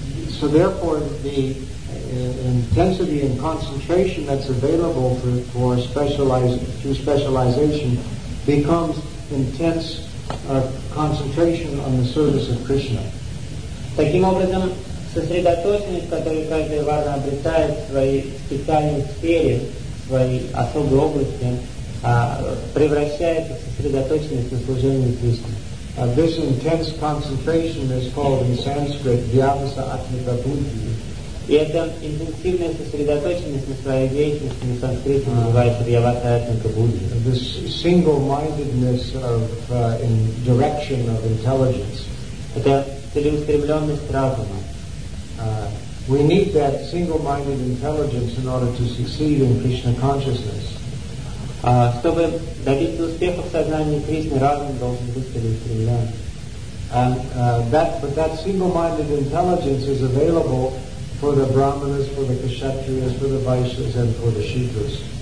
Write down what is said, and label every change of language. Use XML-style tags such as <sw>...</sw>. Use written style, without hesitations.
<en>So therefore, the intensity and concentration that's available for specialization becomes intense. Concentration on the service of Krishna.</en> <ru>Таким образом, сосредоточенность, которую каждая варна обретает в своей специальной сфере, в своей особой области, превращается в сосредоточенность на служении Кришне.</ru> <en>This intense concentration is called in Sanskrit Vyavasa Atmika Buddhi.</en> <ru>И эта интенсивная сосредоточенность на своей деятельности на санскрите называется Вьявата Атмика Будхи.</ru> <en>This single-mindedness of in direction of intelligence.</en> <ru>Это целеустремленность разума.</ru> <en>We need that single-minded intelligence in order to succeed in Krishna consciousness.</en> <ru>Чтобы добиться успеха в сознании Кришны, разум должен быть целеустремлен.</ru> <en>But that single-minded intelligence is available for the Brahmanas, for the Kshatriyas, for the Vaishyas, and for the Shudras.</en>